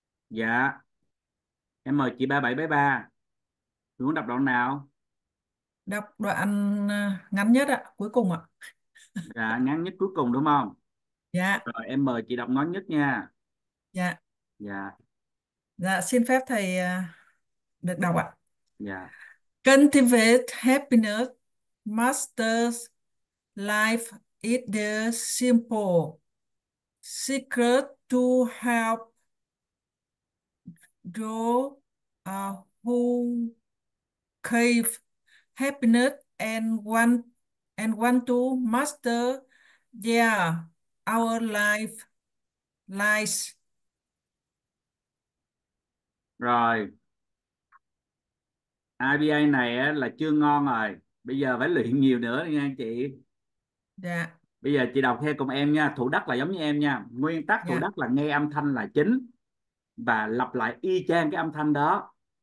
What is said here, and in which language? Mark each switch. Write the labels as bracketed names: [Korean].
[Vietnamese] Dạ. Em mời chị 3773. Chị muốn đọc đoạn nào? Đọc đoạn ngắn nhất ạ, cuối cùng ạ. Dạ, ngắn nhất cuối cùng đúng không? Dạ. Rồi em mời chị đọc ngắn nhất nha. Dạ. Dạ. Dạ, xin phép thầy được đọc Dạ. ạ. [English] Cultivate happiness, master life is the simple secret to help those who crave happiness and want to master our lives. [Vietnamese] Rồi. IBA này á, là chưa ngon rồi. Bây giờ phải luyện nhiều nữa nha anh chị. Dạ. Bây giờ chị đọc theo cùng em nha. Thủ đắc là giống như em nha. Nguyên tắc thủ Dạ. đắc là nghe âm thanh là chính. Và lặp lại y chang cái âm thanh đó.